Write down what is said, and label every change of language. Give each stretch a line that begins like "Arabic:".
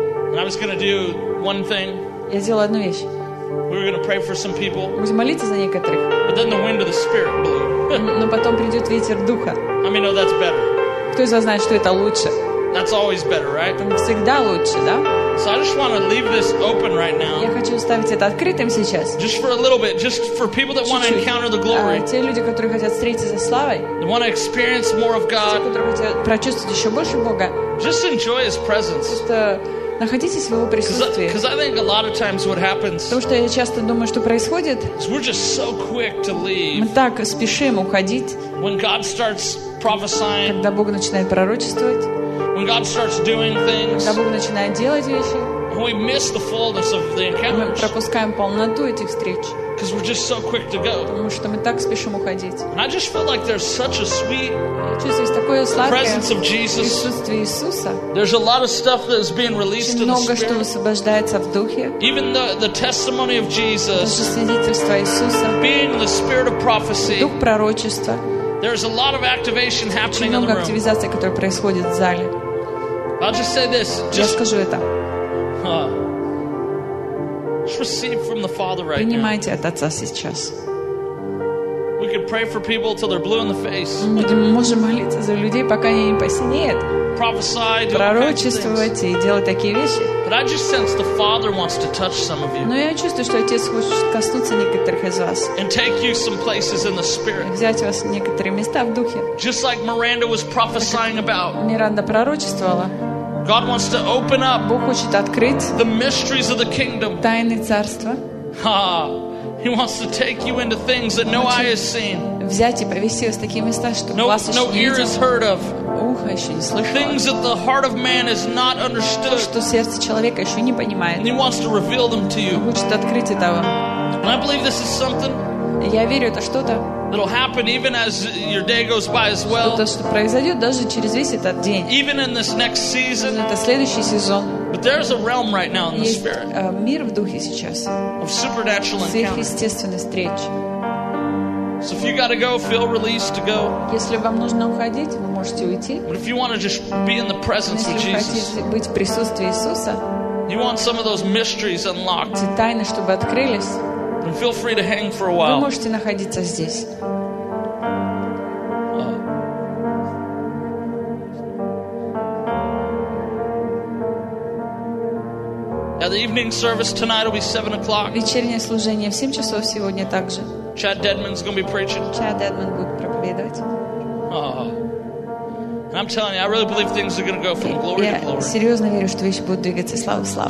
English: And I was going to do one thing.
Russian: Я сделала одну вещь. Мы будем молиться за некоторых. Но потом придет ветер Духа. Кто из вас знает, что это лучше? Это всегда лучше, да? Я хочу оставить это открытым сейчас. Те люди, которые хотят встретиться со славой, те, которые хотят прочувствовать еще больше Бога, просто находитесь в Его присутствии. Потому что я часто думаю, что происходит. Мы так спешим уходить, когда Бог начинает пророчествовать, когда Бог начинает делать вещи, мы пропускаем полноту этих встреч.
English: Because we're just so quick to go.
Russian: Потому что мы так спешим уходить.
English: And I just felt like there's such a sweet presence of Jesus.
Russian: Присутствие Иисуса.
English: There's a lot of stuff that is being released in the Spirit.
Russian: Много что высвобождается в Духе.
English: Even the testimony of Jesus.
Russian: Даже свидетельство Иисуса.
English: Being the Spirit of prophecy.
Russian: Дух пророчества.
English: There's a lot of activation happening in the room.
Russian: Очень много активизации, которая происходит в зале.
English: I'll just say this.
Russian: Я скажу это.
English: Receive from the Father right now.
Russian: Принимайте от Отца сейчас.
English: We can pray for people till they're blue in the face.
Russian: Мы можем молиться за людей, пока они не посинеют.
English: Prophesy,
Russian: пророчествовать и делать такие вещи.
English: But I just sense the Father wants to touch some of you.
Russian: Но я чувствую, что Отец хочет коснуться некоторых из вас.
English: And take you some places in the Spirit.
Russian: Взять вас в некоторые места в духе.
English: Just like Miranda was prophesying about.
Russian: Миранда пророчествовала.
English: God wants to open up
Russian: Бог хочет открыть
English: the mysteries of the kingdom.
Russian: Тайны царства.
English: He wants to take you into things that no eye has seen.
Russian: Взять и повести вас в такие места, чтобы
English: no,
Russian: вас еще
English: no
Russian: не видело. Ухо еще не слышало.
English: Things that the heart of man is not understood.
Russian: То, что сердце человека еще не понимает.
English: He wants to reveal them to you.
Russian: Он хочет открыть это вам.
English: And I believe this is something.
Russian: Я верю, это что-то.
English: That'll happen even as your day goes by as well.
Russian: Что-то, что произойдет даже через весь этот день.
English: Even in this next season.
Russian: Это следующий сезон.
English: But there's a realm right now in the spirit.
Russian: Есть мир в духе сейчас.
English: Of supernatural encounter.
Russian: Сверхъестественной встречи.
English: So if you got to go, feel released to go.
Russian: Если вам нужно уходить, вы можете уйти.
English: But if you want to just be in the presence of Jesus.
Russian: Если вы хотите быть в присутствии Иисуса.
English: You want some of those mysteries unlocked.
Russian: Эти тайны, чтобы открылись.
English: And feel free to hang for a while.
Russian: Вы можете находиться здесь.
English: Now the evening service tonight will be 7 o'clock.
Russian: Вечернее служение в 7 часов сегодня также.
English: Chad Dedman's going to be preaching.
Russian: Chad Dedman будет проповедовать.
English: And I'm telling you, I really believe things are going to go from glory to glory.
Russian: Я серьезно верю, что вещи будут двигаться славу славу.